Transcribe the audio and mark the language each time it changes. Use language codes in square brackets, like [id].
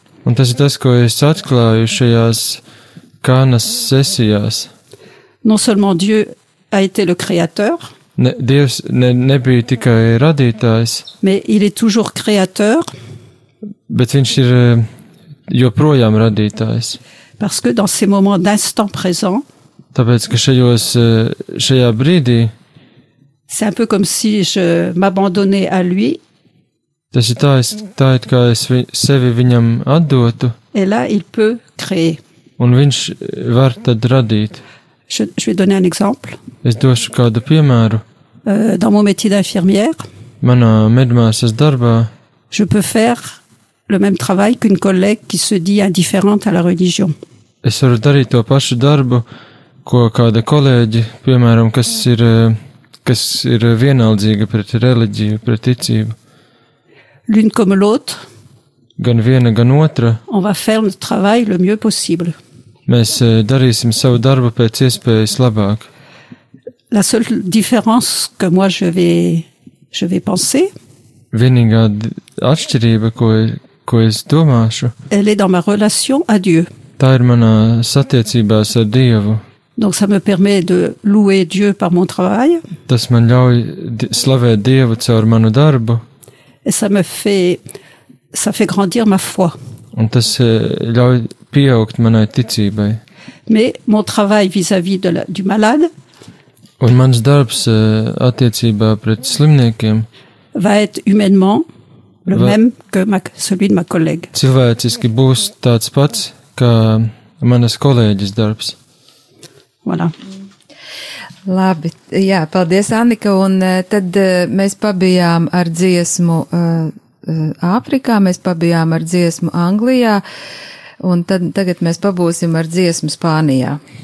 [lv] Un tas ir tas, ko es atklāju šajās Kanas sesijās. [fr] Non seulement Dieu a été le créateur. [lv] Dievs nebija tikai radītājs. [fr] Mais il est toujours créateur. [lv] Bet viņš ir joprojām radītājs. [fr] Parce que dans ces moments d'instant présent, [lv] Tāpēc, ka šajos, šajā brīdī, [fr] c'est un peu comme si je m'abandonnais à lui. [lv] Tas ir tā, tā ir, kā es sevi viņam atdotu. [fr] Et là, il peut créer. [lv] Un viņš var tad radīt. [fr] Je vais donner un exemple. [lv] Es došu kādu piemēru. [fr] Dans mon métier d'infirmière. [lv] Manā medmāsas darbā. [fr] Je peux faire le même travail qu'une collègue qui se dit indifférente à la religion. [lv] Es varu darīt to pašu darbu, ko kāda kolēģi, piemēram, kas ir vienaldzīga pret reliģiju, pret ticību. [fr] L'une comme l'autre. [lv] Gan viena, gan otra. [fr] On va faire le travail le mieux possible. [lv] Mēs darīsim savu darbu pēc iespējas labāk. [fr] La seule différence que moi je vais penser. [lv] Vienīgā atšķirība, ko es domāšu. [fr] Elle est dans ma relation à Dieu. [lv] Tā ir manā satiecībās ar Dievu. [fr] Donc ça me permet de louer Dieu par mon travail. [lv] Tas man ļauj slavēt Dievu caur manu darbu. [fr] Et ça fait grandir ma foi. [lv] Un tas ļauj pieaugt manai ticībai. [fr] Mais mon travail vis-à-vis de du malade. [lv] Un mans darbs attiecībā pret slimniekiem. [fr] Va être humainement le même que celui de ma collègue. [lv] Cilvēciski būs tāds pats kā manas kolēģis darbs. [fr] Voilà. [lv] Labi, jā, paldies Annika, un tad mēs pabijām ar dziesmu Āfrikā, mēs pabijām ar dziesmu Anglijā, un tad, tagad mēs pabūsim ar dziesmu Spānijā.